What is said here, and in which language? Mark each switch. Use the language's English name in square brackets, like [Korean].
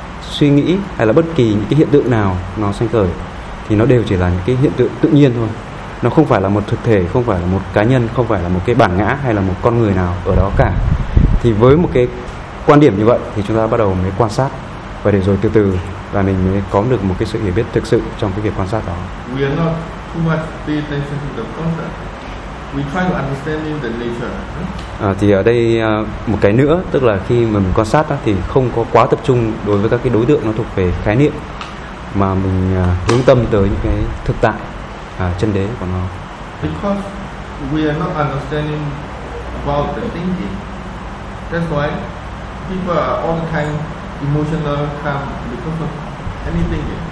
[Vietnamese] suy nghĩ hay là bất kỳ những cái hiện tượng nào nó sanh khởi thì nó đều chỉ là những cái hiện tượng tự nhiên thôi. Nó không phải là một thực thể, không phải là một cá nhân, không phải là một cái bản ngã hay là một con người nào ở đó cả. Thì với một cái quan điểm như vậy thì chúng ta bắt đầu mới quan sát, và để rồi từ từ là mình mới có được một cái sự hiểu biết thực sự trong cái việc quan sát đó. [English] We are not too much pay attention to the concept. We try to understand the nature. [Vietnamese] Thì ở đây một cái nữa, tức là khi mà mình quan sát đó, thì không có quá tập trung đối với các cái đối tượng nó thuộc về khái niệm, mà mình hướng tâm tới những cái thực tại chân đế của nó. [English] Because we are not understanding about the thinking, that's why people are all the time emotional come because of anything.